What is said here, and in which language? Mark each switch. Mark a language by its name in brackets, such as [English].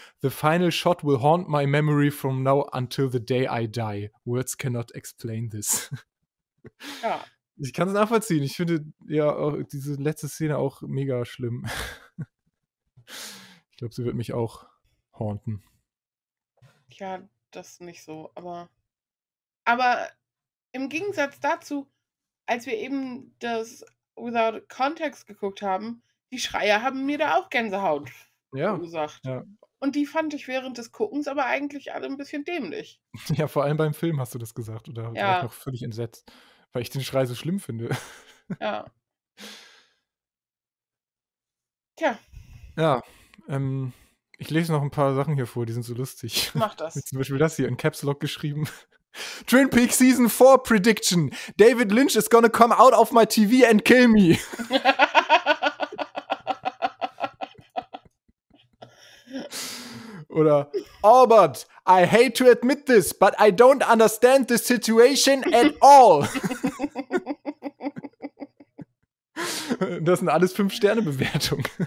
[English] The final shot will haunt my memory from now until the day I die. Words cannot explain this. [German] Ja. Ich kann es nachvollziehen. Ich finde ja auch diese letzte Szene auch mega schlimm. Ich glaube, sie wird mich auch haunten. Ja, das nicht so, aber. Aber im Gegensatz dazu, als wir eben das Without Context geguckt haben, die Schreier haben mir da auch Gänsehaut verursacht. Ja. Und die fand ich während des Guckens aber eigentlich alle ein bisschen dämlich. Ja, vor allem beim Film hast du das gesagt. Oder ja. War ich noch völlig entsetzt, weil ich den Schrei so schlimm finde. Ja. Tja. Ja, ich lese noch ein paar Sachen hier vor, die sind so lustig. Mach das. Zum Beispiel das hier in Caps Lock geschrieben. [English] Twin Peaks Season 4 Prediction. David Lynch is gonna come out of my TV and kill me. [German] Oder [English] Albert, I hate to admit this, but I don't understand the situation at all. [German] Das sind alles 5-Sterne-Bewertungen.